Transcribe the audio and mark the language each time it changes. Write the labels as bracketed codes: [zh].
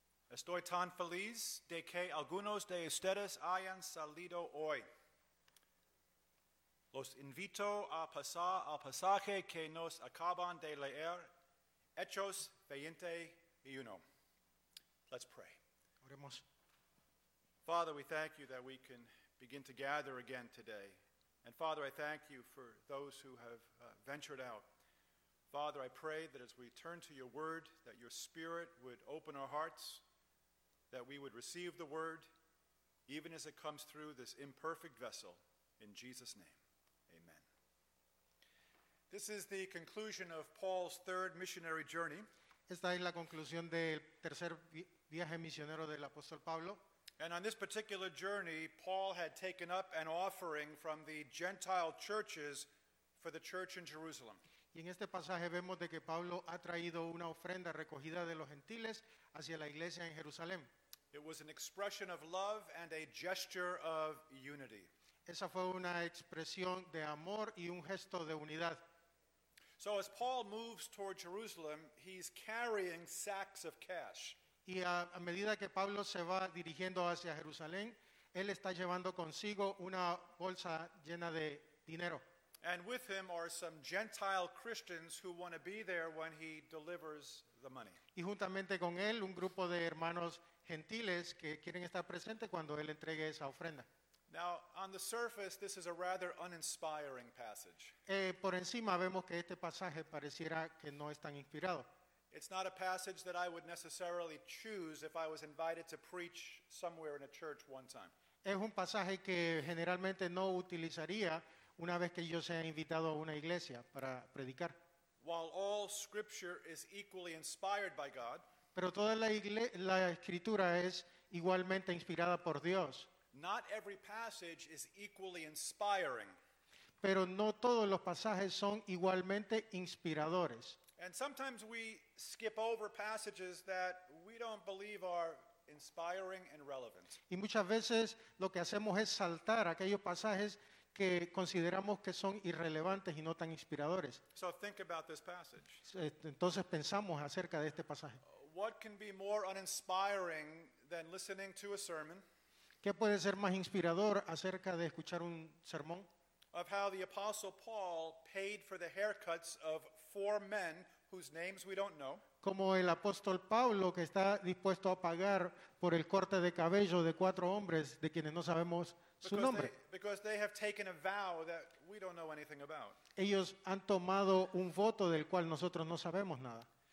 [es] Estoy tan feliz de que algunos de ustedes hayan salido hoy. Los invito a pasar al pasaje que nos acaban de leer, Hechos 21. [en] Let's pray. [es] Oremos. [en] Father, we thank you that we can begin to gather again today. And Father, I thank you for those who have ventured out. Father, I pray that as we turn to your word, that your spirit would open our hearts, that we would receive the word, even as it comes through this imperfect vessel, in Jesus' name. Amen. This is the conclusion of Paul's third missionary journey. [es] Esta es la conclusión del tercer viaje misionero del apóstol Pablo. [en] And on this particular journey, Paul had taken up an offering from the Gentile churches for the church in Jerusalem. [es] Y en este pasaje vemos de que Pablo ha traído una ofrenda recogida de los gentiles hacia la iglesia en Jerusalén. [en] It was an expression of love and a gesture of unity. [es] Esa fue una expresión de amor y un gesto de unidad. [en] So as Paul moves toward Jerusalem, he's carrying sacks of cash. [es] Y a medida que Pablo se va dirigiendo hacia Jerusalén, Él está llevando consigo una bolsa llena de dinero. [en] And with him are some Gentile Christians who want to be there when he delivers the money. [es] Y juntamente con él un grupo de hermanos gentiles que quieren estar presentes cuando él entregue esa ofrenda. [en] Now, on the surface, this is a rather uninspiring passage. [es] Por encima vemos que este pasaje pareciera que no es tan inspirado. [en] It's not a passage that I would necessarily choose if I was invited to preach somewhere in a church one time. [es] Es un pasaje que generalmente no utilizaría una vez que yo sea invitado a una iglesia para predicar. [en] While all scripture is equally inspired by God, [es] pero toda la escritura es igualmente inspirada por Dios. [en] Not every passage is equally inspiring. [es] Pero no todos los pasajes son igualmente inspiradores. [en] And sometimes we skip over passages that we don't believe are inspiring and relevant. [es] Y muchas veces lo que hacemos es saltar aquellos pasajes que consideramos que son irrelevantes y no tan inspiradores. [en] So think about this passage. [es] Entonces pensamos acerca de este pasaje. [en] What can be more uninspiring than listening to a sermon? [es] ¿Qué puede ser más inspirador acerca de escuchar un sermón? [en] Of how the Apostle Paul paid for the haircuts of four men whose names we don't know. [es] Como el apóstol Pablo que está dispuesto a pagar por el corte de cabello de cuatro hombres de quienes no sabemos su nombre. [en] Because they have taken a vow that we don't know anything about. [es] Ellos han tomado un voto del cual nosotros no sabemos nada.